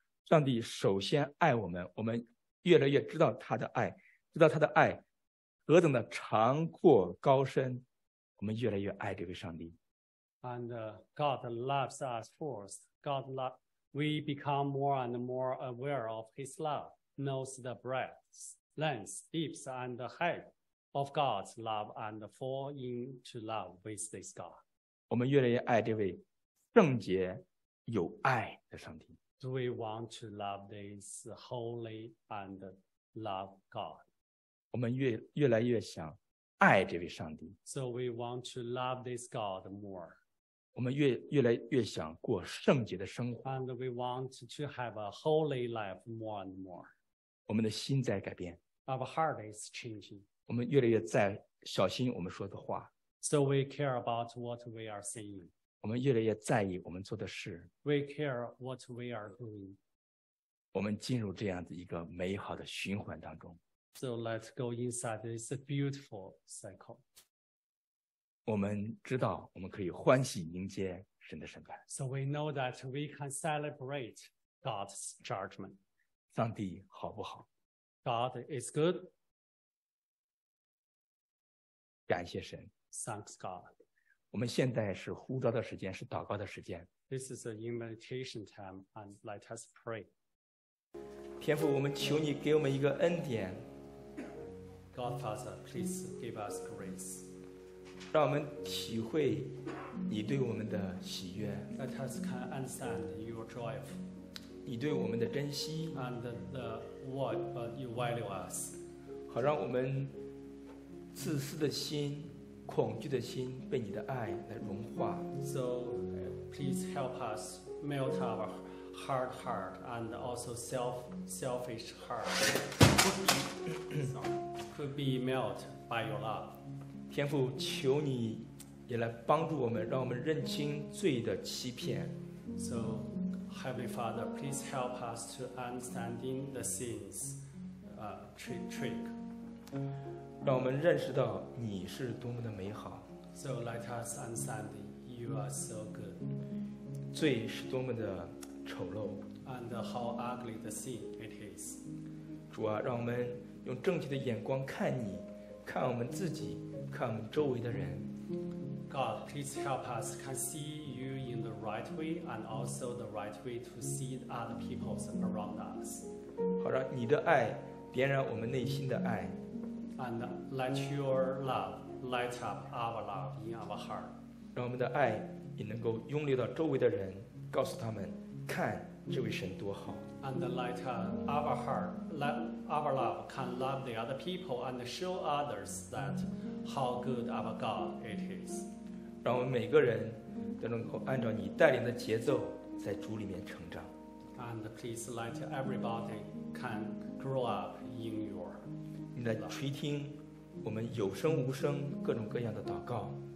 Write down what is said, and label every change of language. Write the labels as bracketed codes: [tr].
[zh] 上帝首先爱我们，我们越来越知道他的爱，知道他的爱何等的长阔高深，我们越来越爱这位上帝。 [en] And God loves us first. God love, we become more and more aware of His love, knows the breadth, length, depths, and the height of God's love, and fall into love with this God. [zh] 我们越来越爱这位圣洁有爱的上帝。 [en] Do we want to love this holy and love God? [zh] 我们 越来越想爱这位上帝。 [en] So we want to love this God more. [zh] 我们 越来越想过圣洁的生活。 [en] And we want to have a holy life more and more. [zh] 我们的心在改变。 [en] Our heart is changing. [zh] 我们越来越在小心我们说的话。 [en] So we care about what we are saying. [zh] 我们越来越在意我们做的事。 [en] We care what we are doing. [zh] 我们进入这样的一个美好的循环当中。 [en] So let's go inside this beautiful cycle. [zh] 我们知道我们可以欢喜迎接神的审判。 [en] So we know that we can celebrate God's judgment. [zh] 上帝好不好？ [en] God is good. [zh] 感谢神。 [en] Thanks God. [zh] 我们现在是呼召的时间，是祷告的时间。 [en] This is an invitation time, and let us pray. [zh] 天父，我们求你给我们一个恩典。 [en] God Father, please give us grace. [zh] 让我们体会你对我们的喜悦。 [en] Let us can understand your joy. [zh] 你对我们的珍惜。 [en] And the what you value us. [zh] 好让我们自私的心、恐惧的心被你的爱来融化。 [en] So please help us melt our hard heart and also selfish heart. Could be melt by your love. [zh] 天父，求你也来帮助我们，让我们认清罪的欺骗。 [en] So, Heavenly Father, please help us to understanding the sin's trick. [zh] 让我们认识到你是多么的美好。 [en] So let us understand you are so good. [zh] 罪是多么的丑陋。 [en] And how ugly the sin it is. [zh] 主啊，让我们用正确的眼光看你，看我们自己，看我们周围的人。 [en] God, please help us can see you in the right way and also the right way to see the other peoples around us. [zh] 好让你的爱点燃我们内心的爱。 [en] And let your love light up our love in our heart. [zh] 让我们的爱也能够涌流到周围的人，告诉他们，看这位神多好。 [en] And let our heart, let our love can love the other people and show others that how good our God it is. [zh] 让我们每个人都能够按照你带领的节奏在主里面成长。 [en] And please let everybody can grow up in your love. [zh] 你来垂听我们有声无声各种各样的祷告。